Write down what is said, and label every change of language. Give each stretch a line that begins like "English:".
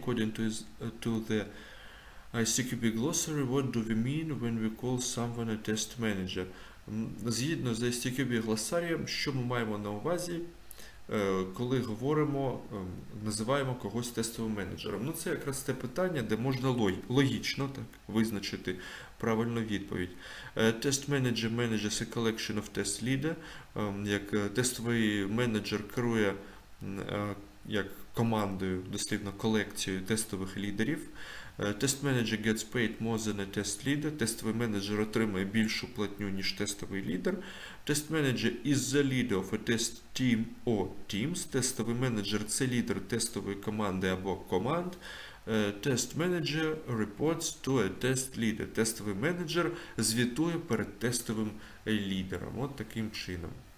English: According to the STQB glossary, what do we mean when we call someone a test manager?
Ukrainian: Згідно з STQB глосарієм, що ми маємо на увазі, коли говоримо, називаємо когось тестовим менеджером? Ну, це якраз те питання, де можна логічно так визначити правильну відповідь.
English: Test manager manages a collection of test leader.
Ukrainian: Як тестовий менеджер керує як командою, дослівно колекцією тестових лідерів.
English: Test manager gets paid more than a test leader.
Ukrainian: Тестовий менеджер отримує більшу платню, ніж тестовий лідер.
English: Test manager is the leader of a test team or teams.
Ukrainian: Тестовий менеджер – це лідер тестової команди або команд.
English: Test manager reports to a test leader.
Ukrainian: Тестовий менеджер звітує перед тестовим лідером. От таким чином.